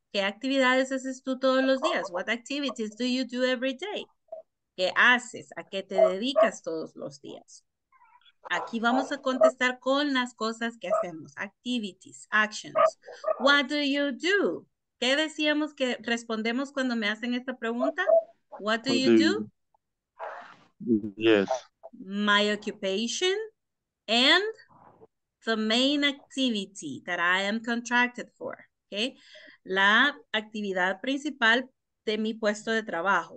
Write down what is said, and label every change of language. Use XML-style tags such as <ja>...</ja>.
<es>¿Qué actividades haces tú todos los días?</es> <en>What activities do you do every day?</en> <es>¿Qué haces? ¿A qué te dedicas todos los días? Aquí vamos a contestar con las cosas que hacemos.</es> <en>Activities, actions. What do you do?</en> <es>¿Qué decíamos que respondemos cuando me hacen esta pregunta?</es> <en>What do you do? Yes. My occupation and the main activity that I am contracted for. Okay.</en> <es>La actividad principal de mi puesto de trabajo.</es>